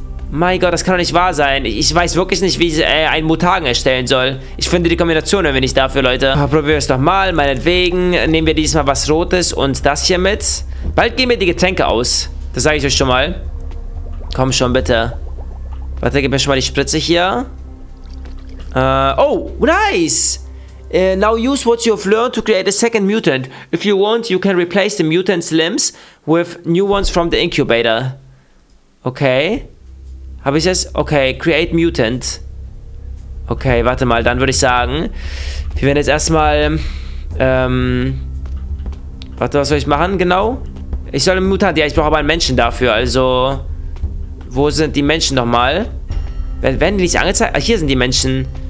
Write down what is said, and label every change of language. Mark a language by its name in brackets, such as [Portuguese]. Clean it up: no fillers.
[German] Mein Gott, das kann doch nicht wahr sein. Ich weiß wirklich nicht, wie ich einen Mutagen erstellen soll. Ich finde die Kombination irgendwie nicht dafür, Leute. Probieren wir es doch mal. Meinetwegen nehmen wir diesmal was Rotes und das hier mit. Bald gehen mir die Getränke aus. Das sage ich euch schon mal. Komm schon, bitte. Warte, gib mir schon mal die Spritze hier. [English] Oh, nice! Now use what you've learned to create a second mutant. If you want, you can replace the mutant's limbs with new ones from the incubator. [German] Okay. Habe ich jetzt? Okay, [English] create mutant. [German] Okay, warte mal, dann würde ich sagen, wir werden jetzt erstmal, warte, was soll ich machen, genau? Ich soll einen Mutant, ja, ich brauche aber einen Menschen dafür, also, wo sind die Menschen nochmal? Werden die nicht angezeigt? Ah, hier sind die Menschen.